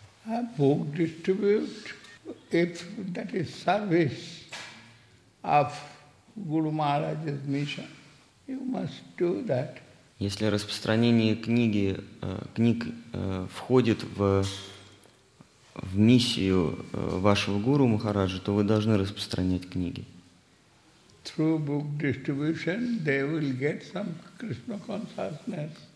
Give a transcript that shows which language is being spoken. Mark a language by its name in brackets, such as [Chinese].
[English] A book distribute, if that is service of Guru Maharaj's mission, you must do that. [Russian] Если распространение книг входит в миссию вашего гуру Махараджа, то вы должны распространять книги. [English] Through book distribution, they will get some Krishna consciousness.